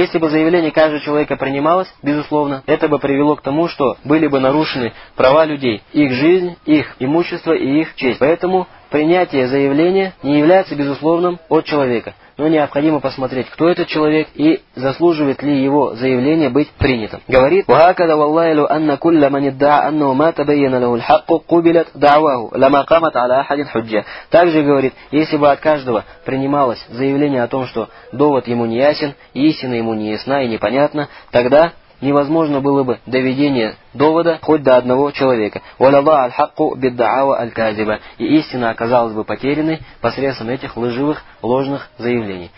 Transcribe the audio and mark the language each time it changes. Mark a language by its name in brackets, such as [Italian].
[Russian] Если бы заявление каждого человека принималось, безусловно, это бы привело к тому, что были бы нарушены права людей, их жизнь, их имущество и их честь. Поэтому принятие заявления не является безусловным от человека, но необходимо посмотреть, кто этот человек и заслуживает ли его заявление быть принятым. Говорит: [Arabic] وَهَكَذَا وَاللَّهِ لَوْ أَنَّ كُلَّ مَنِ ادَّعَ أَنَّهُ مَا تَبَيَّنَ لَهُ الْحَقُّ قُبِلَتْ دَعْوَاهُ لَمَا قَامَتْ عَلَى أَحَدٍ حُجَّةٌ. [Russian] Также говорит, если бы от каждого принималось заявление о том, что довод ему не ясен, истина ему не ясна и непонятна, тогда невозможно было бы доведение довода хоть до одного человека. [Arabic] «Валяла аль-хакку бид-даава аль-казиба». [Russian] И истина оказалась бы потерянной посредством этих лживых, ложных заявлений.